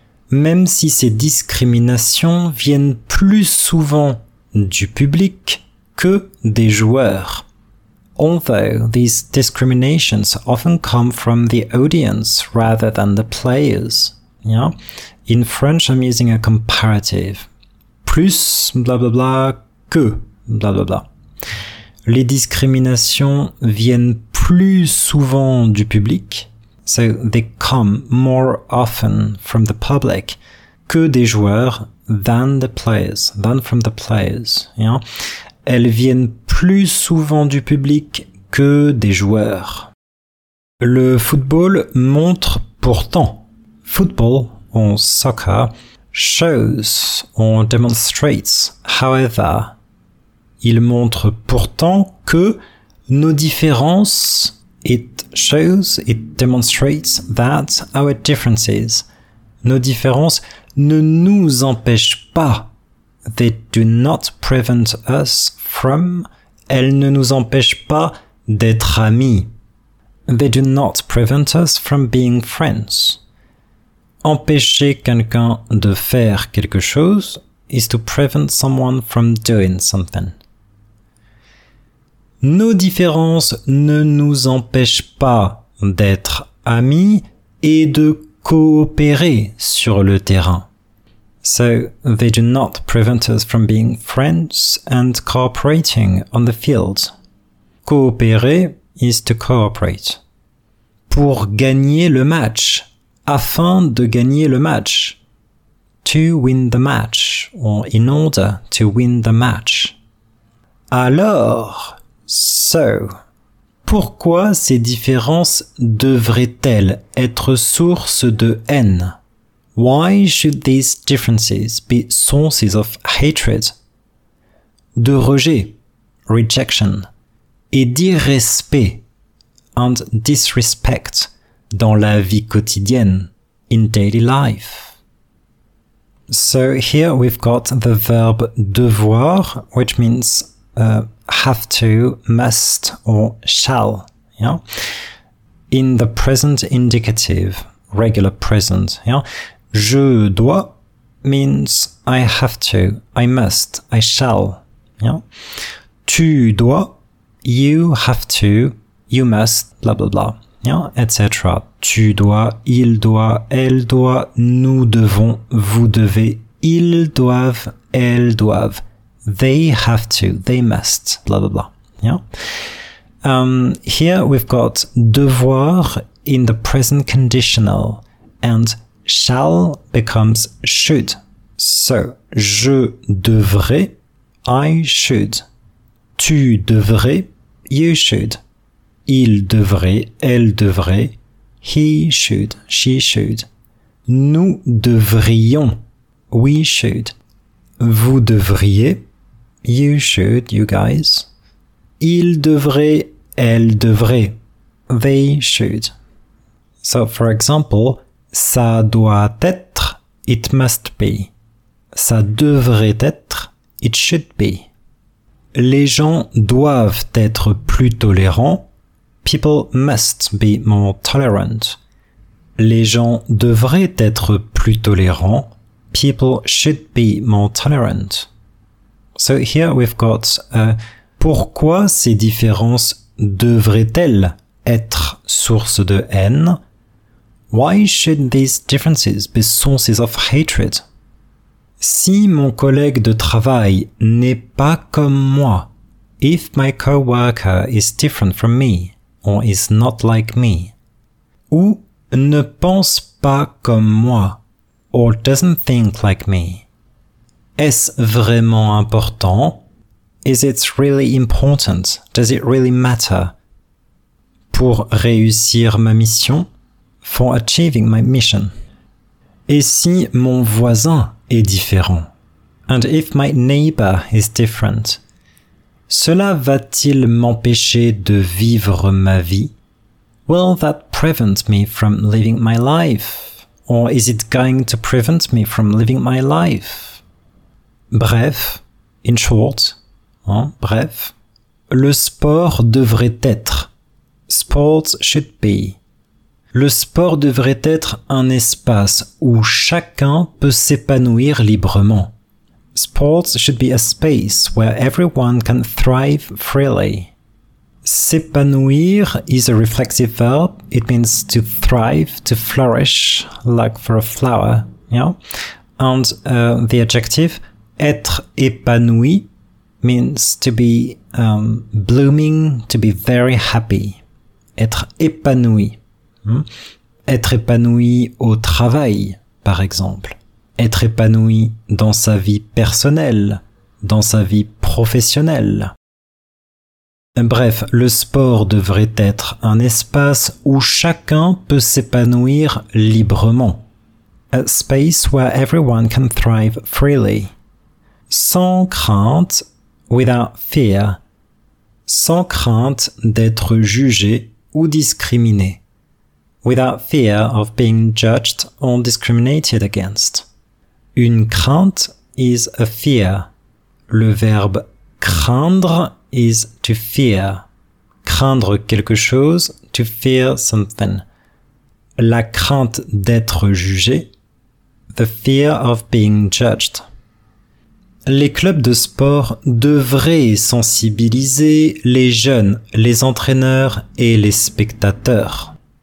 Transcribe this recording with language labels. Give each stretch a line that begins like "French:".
French: Même si ces discriminations viennent plus souvent du public que des joueurs.
English: Although these discriminations often come from the audience rather than the players. Yeah? In French, I'm using a comparative.
French: Plus, blah, blah, blah, que, blah, blah, blah. Les discriminations viennent plus souvent du public.
English: So they come more often from the public
French: que des joueurs
English: than from the players. Yeah?
French: Elles viennent plus souvent du public que des joueurs. Le football montre pourtant.
English: Football or soccer shows or demonstrates, however.
French: Il montre pourtant que nos différences.
English: It shows, it demonstrates that our differences,
French: nos différences, ne nous empêchent pas.
English: They do not prevent us from,
French: elles ne nous empêchent pas d'être amis.
English: They do not prevent us from being friends.
French: Empêcher quelqu'un de faire quelque chose
English: is to prevent someone from doing something.
French: Nos différences ne nous empêchent pas d'être amis et de coopérer sur le terrain.
English: So, they do not prevent us from being friends and cooperating on the field.
French: Coopérer
English: is to cooperate.
French: Pour gagner le match, afin de gagner le match.
English: To win the match, or in order to win the match.
French: Alors, so, pourquoi ces différences devraient-elles être source de haine?
English: Why should these differences be sources of hatred? De rejet, rejection, et d'irrespect, and disrespect, dans la vie quotidienne, in daily life. So here we've got the verb devoir, which means have to, must, or shall. Yeah, in the present indicative, regular present. Yeah,
French: je dois
English: means I have to, I must, I shall. Yeah,
French: tu dois,
English: you have to, you must, blah blah blah. Yeah, etc.
French: Tu dois, il doit, elle doit, nous devons, vous devez, ils doivent, elles doivent,
English: they have to, they must, blah blah
French: blah.
English: Yeah. Here we've got devoir in the present conditional, and shall becomes should. So
French: je devrais,
English: I should.
French: Tu devrais,
English: you should.
French: Il devrait, elle devrait,
English: he should, she should.
French: Nous devrions,
English: we should.
French: Vous devriez,
English: you should, you guys.
French: Il devrait, elle devrait,
English: they should. So, for example,
French: ça doit être,
English: it must be.
French: Ça devrait être,
English: it should be.
French: Les gens doivent être plus tolérants.
English: People must be more tolerant.
French: Les gens devraient être plus tolérants.
English: People should be more tolerant. So here we've got
French: pourquoi ces différences devraient-elles être source de haine?
English: Why should these differences be sources of hatred?
French: Si mon collègue de travail n'est pas comme moi,
English: if my coworker is different from me, or is not like me,
French: ou ne pense pas comme moi,
English: or doesn't think like me.
French: Est-ce vraiment important?
English: Is it really important? Does it really matter?
French: Pour réussir ma mission?
English: For achieving my mission.
French: Et si mon voisin est différent?
English: And if my neighbor is different?
French: Cela va-t-il m'empêcher de vivre ma vie?
English: Will that prevent me from living my life? Or is it going to prevent me from living my life?
French: Bref,
English: in short,
French: hein, bref, le sport devrait être,
English: sports should be.
French: Le sport devrait être un espace où chacun peut s'épanouir librement.
English: Sports should be a space where everyone can thrive freely. S'épanouir is a reflexive verb. It means to thrive, to flourish, like for a flower, yeah? And the adjective
French: être épanoui
English: means to be blooming, to be very happy.
French: Être épanoui. Hmm? Être épanoui au travail, par exemple. Être épanoui dans sa vie personnelle, dans sa vie professionnelle. Bref, le sport devrait être un espace où chacun peut s'épanouir librement.
English: A space where everyone can thrive freely.
French: Sans crainte,
English: without fear.
French: Sans crainte d'être jugé ou discriminé.
English: Without fear of being judged or discriminated against.
French: Une crainte
English: is a fear.
French: Le verbe craindre
English: is to fear.
French: Craindre quelque chose,
English: to fear something.
French: La crainte d'être jugé,
English: the fear of being judged.
French: Les clubs de sport devraient sensibiliser les jeunes, les entraîneurs et les spectateurs.